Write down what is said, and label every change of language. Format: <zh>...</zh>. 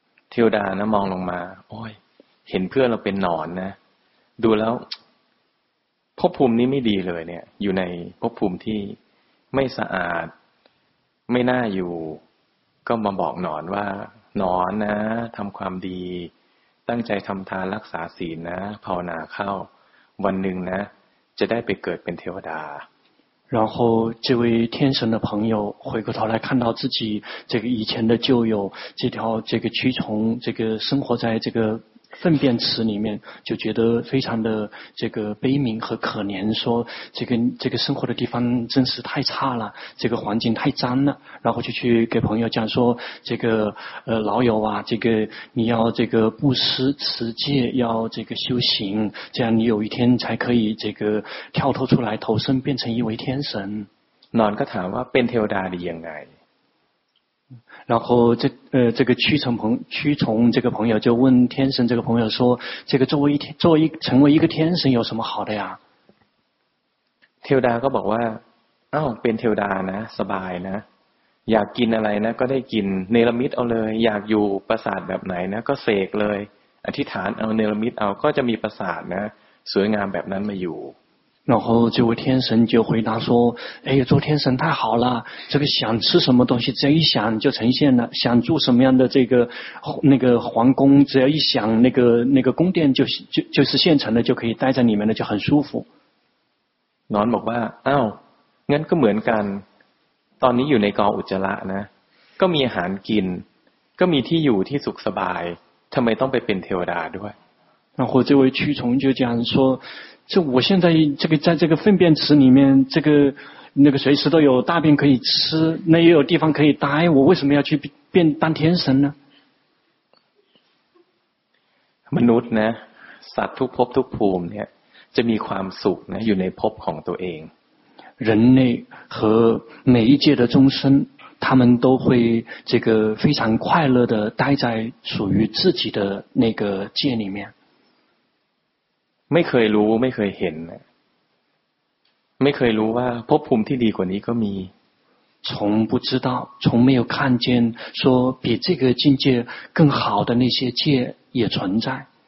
<th>เทวดานะมองลงมาโอ้ยเห็นเพื่อนเราเป็นหนอนนะดูแล้วภพภูมินี้ไม่ดีเลยเนี่ยอยู่ในภพภูมิที่ไม่สะอาดไม่น่าอยู่ก็มาบอกหนอนว่าหนอนนะทำความดีตั้งใจทำทานรักษาศีลนะภาวนาเข้าวันหนึ่งนะจะได้ไปเกิดเป็นเทวดา</th> <zh>然后这位天神的朋友回过头来看到自己这个以前的旧友这条这个蛆虫这个生活在这个粪便池里面就觉得非常的这个悲悯和可怜说这个生活的地方真是太差了这个环境太脏了然后就去给朋友讲说这个老友啊这个你要这个布施持戒要这个修行这样你有一天才可以这个跳脱出来投身变成一位天神暖个谈话变天大的应该然后这个蛆虫这个朋友就问天神这个朋友说这个成为一个天神有什么好的呀</zh> <th>เทวดาก็บอกว่าอ้าวเป็นเทวดานะสบายนะอยากกินอะไรนะก็ได้กินเนรมิตเอาเลยอยากอยู่ปราสาทแบบไหนนะก็เสกเลยอธิษฐานเอาเนรมิตเอาก็จะมีปราสาทนะสวยงามแบบนั้นมาอยู่</th> <zh>然后这位天神就回答说哎呀做天神太好了这个想吃什么东西只要一想就呈现了想住什么样的这个那个皇宫只要一想那个宫殿就是现成的就可以待在里面的就很舒服。</zh> <th>นอนบอกว่าอ้าวงั้นก็เหมือนกันตอนนี้อยู่ในกองอุจจาระนะก็มีอาหารกินก็มีที่อยู่ที่สุขสบายทำไมต้องไปเป็นเทวดาด้วย</th> <zh>然后这位蛆虫就讲说就我现在这个在这个粪便池里面这个那个随时都有大便可以吃那也有地方可以待我为什么要去变当天神呢</zh> <th>มนุษย์นะสัตว์ทุกภพทุกภูมิเนี่ยจะมีความสุขนะอยู่ในภพของตัวเอง</th> <zh>人类和每一届的众生他们都会这个非常快乐的待在属于自己的那个界里面</zh> <th>ไม่เคยรู้ไม่เคยเห็นไม่เคยรู้ว่าภพภูมิที่ดีกว่านี้ก็มี</th> <zh>从不知道从没有看见说比这个境界更好的那些界也存在</zh>